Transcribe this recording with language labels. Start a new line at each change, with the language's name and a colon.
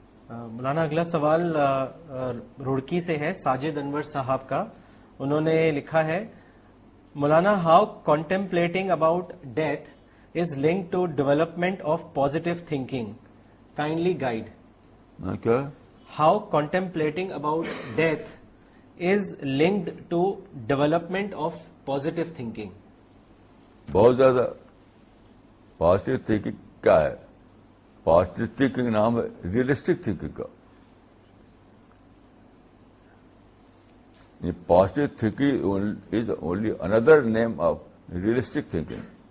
Urdu: مولانا اگلا سوال روڑکی سے ہے ساجد انور صاحب کا. انہوں نے لکھا ہے
English: Maulana how contemplating about death is linked to development of positive thinking, kindly guide. Okay. How contemplating about death is linked to development of positive thinking?
Urdu: بہت زیادہ. پازیٹو تھنکنگ کیا ہے؟ پازیٹو تھنکنگ نام ہے ریئلسٹک تھنکنگ کا.
English: Positive thinking is only another name of realistic thinking.